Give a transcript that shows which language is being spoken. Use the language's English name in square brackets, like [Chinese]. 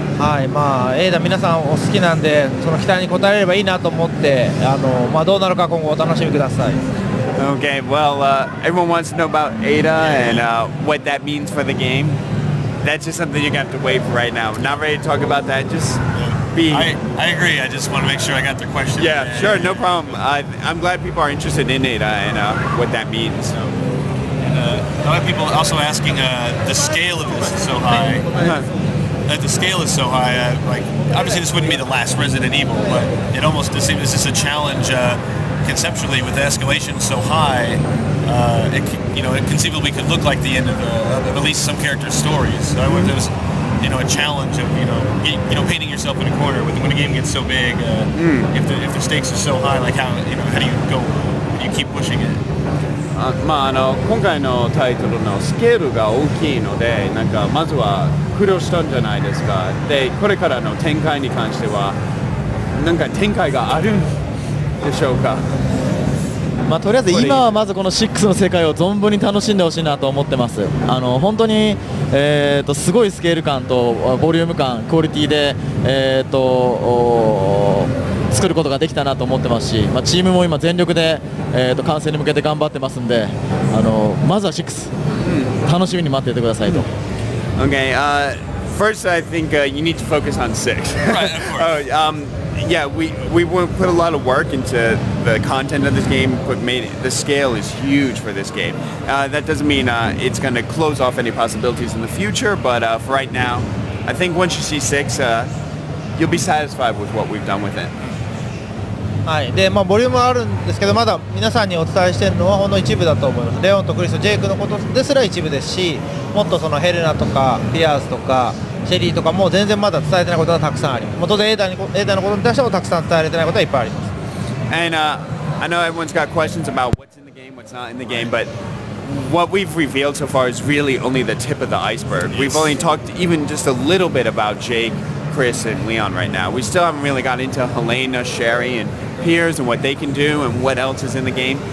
[Japanese] はい、まあ、エイダ皆さんお好きなんで、その期待に応えればいいなと思って、まあ、どうなるか今後お楽しみください。 [English] Okay, well, everyone wants to know about Ada and what that means for the game. That's just something you're gonna have to wait for right now. Not ready to talk about that, just being... I agree, I just want to make sure I got the question. Yeah, sure, no problem. I'm glad people are interested in Ada and what that means. And, a lot of people also asking, the scale of this is so high. The scale is so high, like, obviously this wouldn't be the last Resident Evil, but it almost seems this is a challenge conceptually with the escalation so high, it conceivably could look like the end of at least some character's stories. So I wonder if it was, you know, a challenge of, you know, painting yourself in a corner when a game gets so big, if the stakes are so high, like how do you keep pushing it? [Japanese] まあ、今回のタイトルのスケールが大きいので、なんかまずは苦労したんじゃないですか。で、これからの展開に関しては、なんか展開があるんでしょうか。まあ、とりあえず今はまずこの6の世界を存分に楽しんでほしいなと思ってます。本当に、すごいスケール感とボリューム感、クオリティで、作ることができたなと思ってますし、まあ、チームも今全力で、完成に向けて頑張ってますんで、まずは6、楽しみに待っていてくださいと。 [English] Okay, first I think you need to focus on 6. Right, of course. Yeah, we put a lot of work into the content of this game, the scale is huge for this game. That doesn't mean it's going to close off any possibilities in the future, but for right now, I think once you see 6, you'll be satisfied with what we've done with it. [Japanese] はい、で、まあ、ボリュームはあるんですけど、まだ皆さんにお伝えしているのはほんの一部だと思います。レオンとクリスとジェイクのことですら一部ですし、もっとそのヘレナとかピアースとかシェリーとかも全然まだ伝えてないことがたくさんあります。当然エイダのことに対してもたくさん伝えられてないことがいっぱいあります。 [English] And, I know everyone's got questions about what's in the game, what's not in the game, but what we've revealed so far is really only the tip of the iceberg. We've only talked even just a little bit about Jake, Chris and Leon right now. We still haven't really got into Helena, Sherry and Piers and what they can do and what else is in the game.